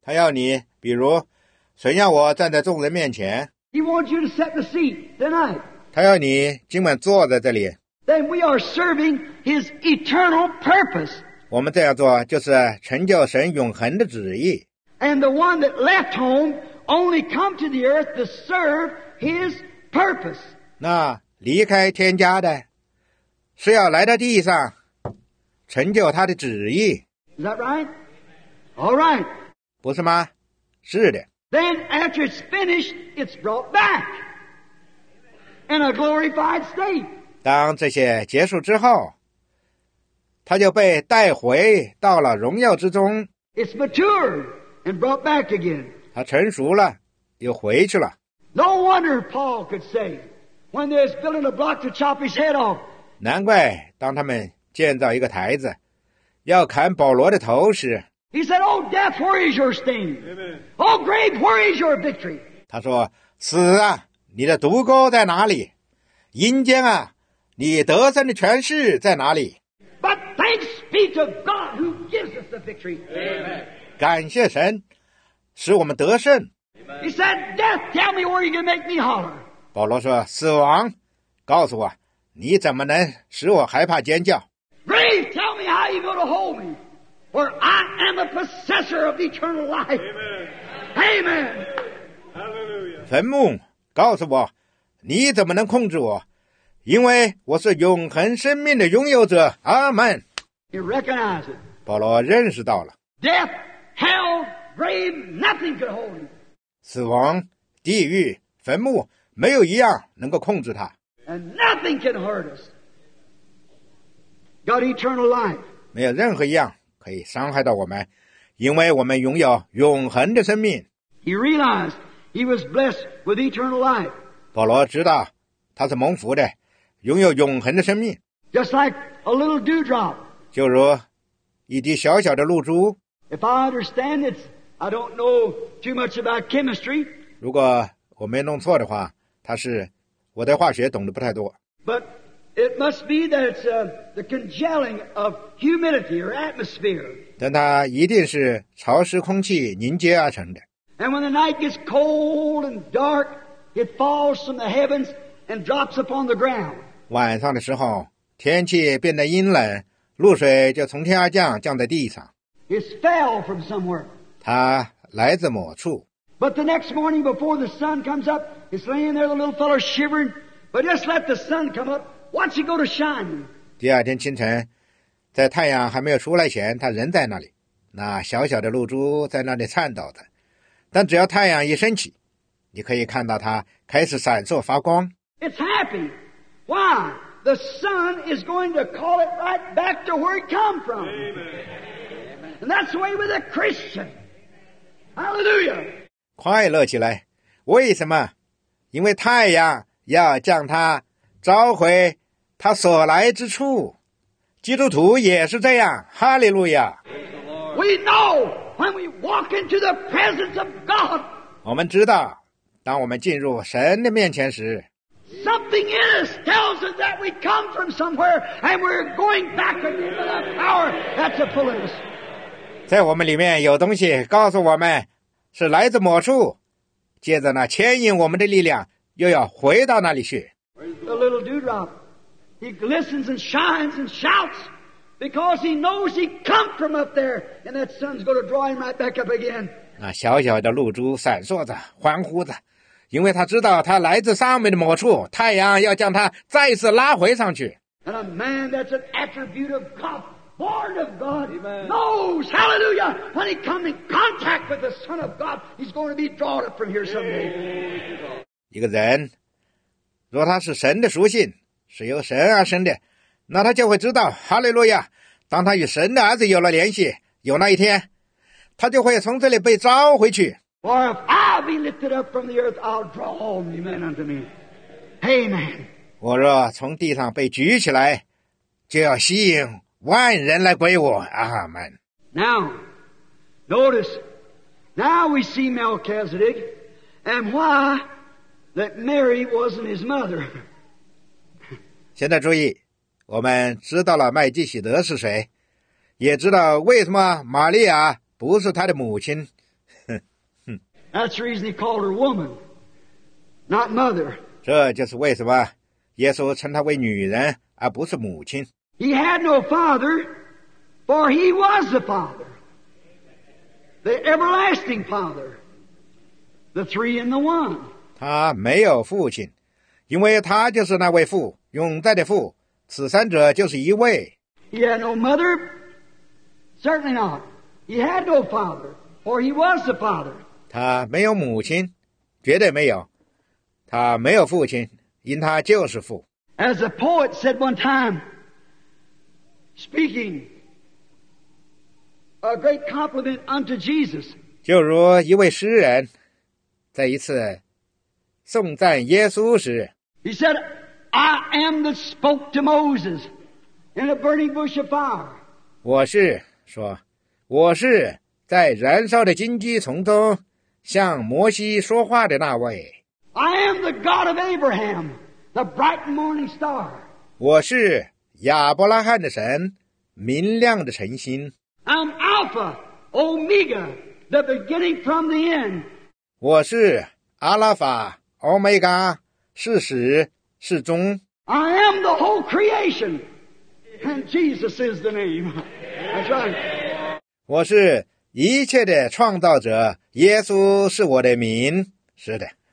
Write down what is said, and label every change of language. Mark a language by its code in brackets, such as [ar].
[zh] 他要你，比如，神要我站在众人面前。 [en] He wants you to set the seat tonight. [zh] 他要你今晚坐在这里。 [en] Then we are serving his eternal purpose. [zh] 我们这样做就是成就神永恒的旨意。 [en] And the one that left home only come to the earth to serve his purpose. [zh] 那离开天家的，是要来到地上。成就他的旨意。 [en] Is that right? All right. [zh] 不是吗？是的。 [en] Then after it's finished, it's brought back in a glorified state. [zh] 当这些结束之后，他就被带回到了荣耀之中。 [en] It's matured and brought back again. [zh] 他成熟了，又回去了。 [en] No wonder Paul could say, when there's building a block to chop his head off. [zh] 难怪当他们建造一个台子，要砍保罗的头时。 [en] He said, "Oh, death, where is your sting? Oh, grave, where is your victory?" [zh] 他说：“死啊，你的毒钩在哪里？阴间啊，你得胜的权势在哪里 [en] ？”But thanks be to God who gives us the victory. Amen. [zh] 感谢神，使我们得胜。 [en] Amen. He said, "Death, tell me where you can make me holler." [zh] 保罗说：“死亡，告诉我，你怎么能使我害怕尖叫？” [en] Grave, tell me how you're going to hold me, for I am a possessor of eternal life. Amen. Amen. Hallelujah. [zh] 坟墓，告诉我，你怎么能控制我？因为我是永恒生命的拥有者。阿们。 [en] You recognize it. [zh] 保罗认识到了。 [en] Death, hell, grave, nothing could hold him. [zh] 死亡、地狱、坟墓，没有一样能够控制他。 [en] And nothing can hurt us. Got eternal life. [zh] 没有任何一样可以伤害到我们，因为我们拥有永恒的生命。 [en] He realized he was blessed with eternal life. [zh] 保罗知道他是蒙福的，拥有永恒的生命。 [en] Just like a little dewdrop. [zh] 就如一滴小小的露珠。 [en] If I understand it, I don't know too much about chemistry. [zh] 如果我没弄错的话，它是我的化学懂得不太多。 [en] But it must be that it's the congealing of humidity or atmosphere. [zh] 但它一定是潮湿空气凝结而成的。 [en] And when the night gets cold and dark, it falls from the heavens and drops upon the ground. [zh] 晚上的时候，天气变得阴冷，露水就从天而降，降在地上。 [en] It fell from somewhere. [zh] 它来自某处。 [en] But the next morning before the sun comes up, it's laying there, the little fellow shivering. But just let the sun come up, watch it go to shine. [zh] 第二天清晨，在太阳还没有出来前，它仍在那里，那小小的露珠在那里颤抖着。但只要太阳一升起，你可以看到它开始闪烁发光。 [en] It's happy. Why? The sun is going to call it right back to where it come from. Amen. And that's the way with a Christian. Hallelujah. [zh] 快乐起来，为什么？因为太阳要将它召回它所来之处。基督徒也是这样，哈利路亚。 [en] We know when we walk into the presence of God. [zh] 我们知道，当我们进入神的面前时。 [en] Something in us tells us that we come from somewhere and we're going back into the power that's full of us. [zh] 在我们里面有东西告诉我们是来自某处，接着呢，牵引我们的力量又要回到那里去。 [en] The little dewdrop, he glistens and shines and shouts because he knows he come from up there, and that sun's going to draw him right back up again. [zh] 那小小的露珠闪烁着，欢呼着，因为他知道他来自上面的某处，太阳要将他再次拉回上去。 [en] And a man that's an attribute of God. Born of God, knows, hallelujah, when he comes in contact with the Son of God, he's going to be drawn up from here someday. [zh] 一个人，若他是神的属性，是由神而生的，那他就会知道，哈利路亚，当他与神的儿子有了联系，有那一天，他就会从这里被召回去。 [en] For if I be lifted up from the earth, I'll draw all men unto me. Amen. [zh] 我若从地上被举起来，就要吸引万人来归我，阿们。 [en] Now, notice, now we see Melchizedek, and why that Mary wasn't his mother. [zh] 现在注意，我们知道了麦基洗德是谁，也知道为什么玛利亚不是他的母亲。 [en] That's the reason he called her woman, not mother. [zh] 这就是为什么耶稣称她为女人，而不是母亲。 [en] He had no father, for he was the father, the everlasting father, the three in the one. [zh] 他没有父亲，因为他就是那位父，永在的父，此三者就是一位。 [en] He had no mother, certainly not. He had no father, for he was the father. [zh] 他没有母亲，绝对没有。他没有父亲，因他就是父。 [en] As a poet said one time,Speaking a great compliment unto Jesus. [zh] 就如一位诗人在一次颂赞耶稣时 [en] He said, I am that spoke to Moses in a burning bush of fire. [zh] 我是说我是在燃烧的荆棘丛中向摩西说话的那位 [en] I am the God of Abraham, the bright morning star. [zh] 我是亚伯拉罕的神，明亮的晨星。 [en] I'm Alpha, Omega, the beginning from the end. [zh] 我是阿拉法、欧米伽，是始是终。 [en] I am the whole creation, and Jesus is the name. That's right. [zh] 我是一切的创造者，耶稣是我的名。是的。